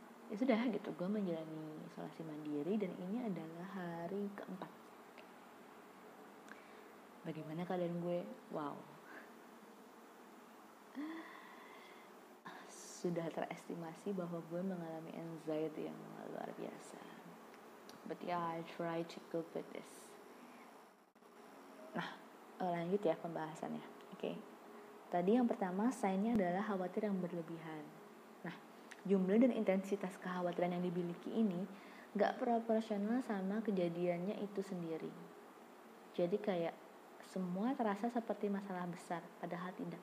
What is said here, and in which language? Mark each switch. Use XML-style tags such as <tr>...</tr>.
<id>Ya sudah gitu, gue menjalani isolasi mandiri dan ini adalah hari keempat. Bagaimana keadaan gue? Wow, sudah terestimasi bahwa gue mengalami anxiety yang luar biasa.</id> <en>But yeah, I try to cope with this.</en> <id>Nah, lanjut ya pembahasannya. Oke. Tadi yang pertama, sign-nya adalah khawatir yang berlebihan. Nah, jumlah dan intensitas kekhawatiran yang dimiliki ini gak proporsional sama kejadiannya itu sendiri. Jadi kayak semua terasa seperti masalah besar, padahal tidak.</id>